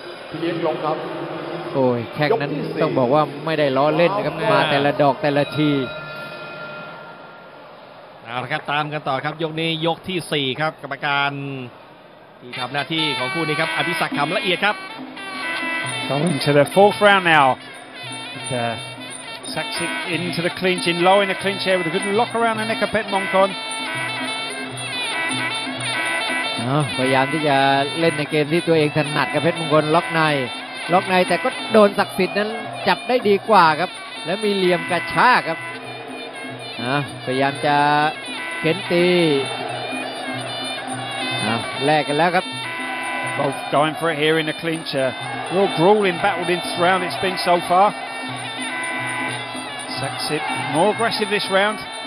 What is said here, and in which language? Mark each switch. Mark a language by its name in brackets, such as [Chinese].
[Thai] พี่เลี้ยงลงครับ โอ้ยแข้งนั้นต้องบอกว่าไม่ได้ล้อเล่นนะครับมาแต่ละดอกแต่ละที เอาละครับตามกันต่อครับยกนี้ยกที่4ครับกรรมการที่ครับหน้าที่ของคู่นี้ครับอภิศักดิ์คำละเอียดครับ [English] Going into the fourth round now and, Saxit into the clinch in low in the clinch here with a good lock around the neck of Petmongkon [Thai] พยายามที่จะเล่นในเกมที่ตัวเองถนัดกับเพชรมงคลล็อกในแต่ก็โดนศักดิ์สิทธิ์นั้นจับได้ดีกว่าครับและมีเหลี่ยมกระชากครับพยายามจะเข็นตีแลกกันแล้วครับ [English] Both going for it here in the clinch real grueling battle in this round it's been so far Saxit more aggressive this round